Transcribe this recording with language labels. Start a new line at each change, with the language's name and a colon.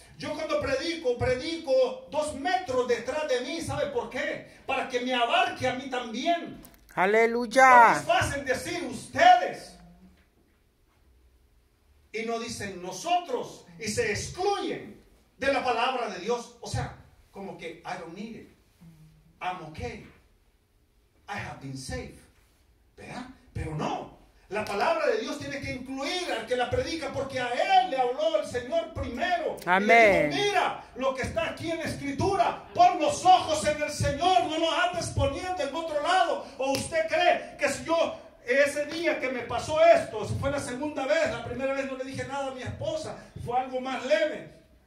Spanish: Yo cuando predico, predico 2 metros detrás de mí, ¿sabe por qué? Para que me abarque a mí también. ¡Aleluya! Es fácil decir ustedes. Y no dicen nosotros. Y se excluyen de la palabra de Dios. O sea, como que,
English: I don't need it. I'm okay. I have been saved.
Spanish: ¿Verdad? Pero no. La palabra de Dios tiene que incluir al que la predica, porque a él le habló el Señor primero. Amén. Y le dijo, mira lo que está aquí en la Escritura. Pon los ojos en el Señor, no lo andes poniendo en otro lado. ¿O usted cree que si yo ese día que me pasó esto, fue la segunda vez, la primera vez no le dije nada a mi esposa, fue algo más leve?